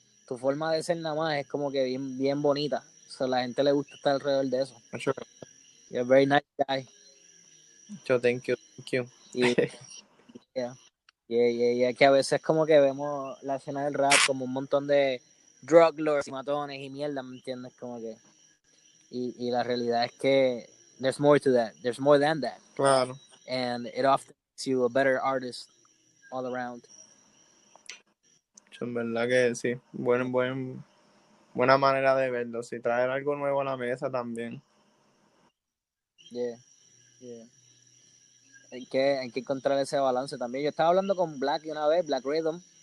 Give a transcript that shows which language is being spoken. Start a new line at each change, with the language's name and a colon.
Spanish: Tu forma de ser nada más es como que bien, bien bonita. O sea, la gente le gusta estar alrededor de eso.
English: You're a very nice Yo, thank guy. you,
Spanish: Y yeah, que a veces como que vemos la escena del rap como un montón de
English: drug lords
Spanish: y matones y mierda, ¿me entiendes? Como que. Y la realidad es que
English: there's more to that. There's more than that.
Spanish: claro.
English: And it often makes you a better artist all around.
Spanish: Yo, en verdad que sí, buena manera de verlo, si traer algo nuevo a la mesa también. Yeah. Hay que encontrar ese balance también. Yo estaba hablando con Black una vez, Black Rhythm.